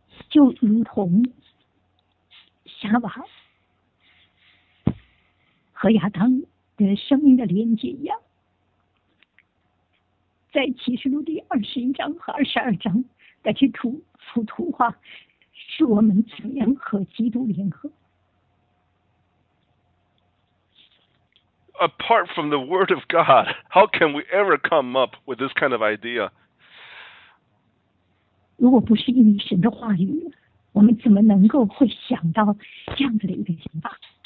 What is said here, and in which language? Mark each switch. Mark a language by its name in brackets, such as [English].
[Chinese] 就如同夏娃和亚当的生命的连接一样，在启示录第21章和22章的这处。图画是我们怎样和基督联合。 [English] Apart from the Word of God, how can we ever come up with this kind of idea? [Chinese] 如果不是因为神的话语，我们怎么能够会想到这样子的一个想法？